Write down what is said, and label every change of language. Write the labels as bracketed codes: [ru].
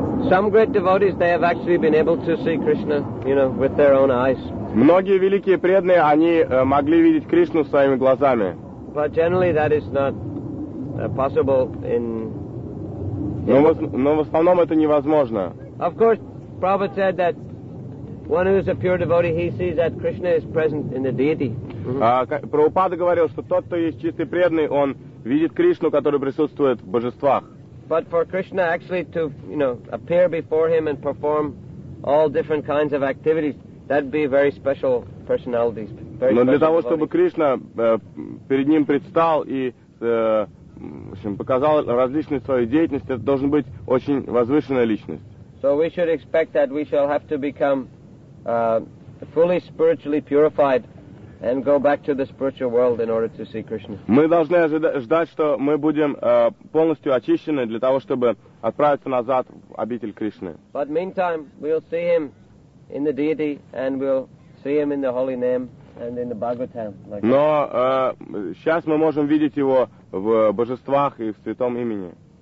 [en] Some great devotees, they have actually been able to see Krishna, you know, with their own eyes. [ru] Многие великие преданные, они могли видеть Кришну своими глазами. [en] But generally that is not possible in... [ru] Но в основном это невозможно. [en] Of course, Prabhupada said that one who is a pure devotee, he sees that Krishna is present in the deity. [ru] Прабхупада говорил, что тот, кто есть чистый преданный, он видит Кришну, который присутствует в божествах. [en] But for Krishna actually to, you know, appear before him and perform all different kinds of activities, that'd be very special personalities. Very [ru] Но [en] special [ru] для того, чтобы Кришна перед ним предстал и, в общем, показал различные свои деятельности, это должен быть очень возвышенная личность. [en] So we should expect that we shall have to become fully spiritually purified and go back to the spiritual world in order to see Krishna. [ru] Мы должны ждать, что мы будем полностью очищены для того, чтобы отправиться назад в обитель Кришны. [en] But meantime, we'll see him in the deity, and we'll see him in the holy name, and in the Bhagavatam. [ru] Но сейчас мы можем видеть его в божествах и в святом имени.